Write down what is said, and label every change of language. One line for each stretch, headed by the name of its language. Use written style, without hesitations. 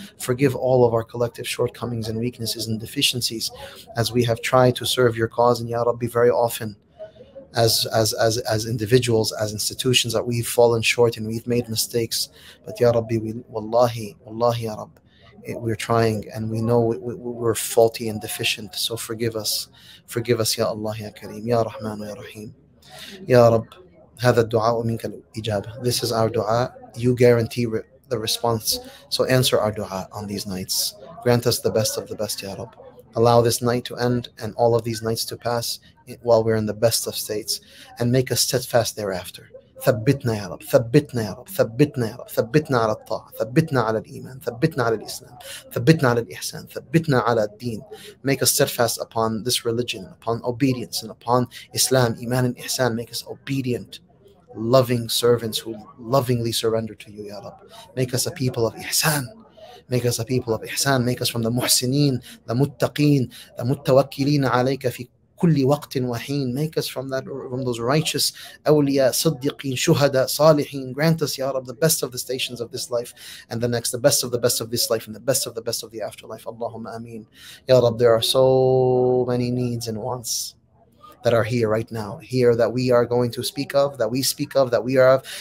English: Forgive all of our collective shortcomings and weaknesses and deficiencies as we have tried to serve your cause, and Ya Rab, be very often as individuals, as institutions, that we've fallen short and we've made mistakes, but Ya Rabbi, wallahi Ya Rab, we're trying and we know we're faulty and deficient. So forgive us, Ya Allah, Ya Kareem, Ya Rahman, Ya Rahim.
Arabic: Ya Rab, هذا الدعاء منك الإجابة.
English: This is our dua. You guarantee the response. So answer our dua on these nights. Grant us the best of the best, Ya Rab. Allow this night to end and all of these nights to pass while we're in the best of states, and make us steadfast thereafter.
Arabic: ثبتنا يا رب ثبتنا يا رب ثبتنا يا رب ثبتنا على الطاعة ثبتنا على الإيمان ثبتنا على الإسلام ثبتنا على الإحسان ثبتنا على الدين.
English: Make us steadfast upon this religion, upon obedience, and upon Islam, إيمان and إحسان. Make us obedient, loving servants who lovingly surrender to you, Ya Rab. Make us a people of إحسان. Make us a people of إحسان. Make us from the محسنين, the متقين, the
Arabic: متوكلين عليك في كل وقت وحين.
English: Make us from those righteous awliya, siddiqeen, shuhada, salihin. Grant us, Ya Rab, the best of the stations of this life and the next, the best of the best of this life and the best of the best of the afterlife. Allahumma ameen. Ya Rab, there are so many needs and wants that are here right now, here that we are going to speak of, that we speak of, that we are of.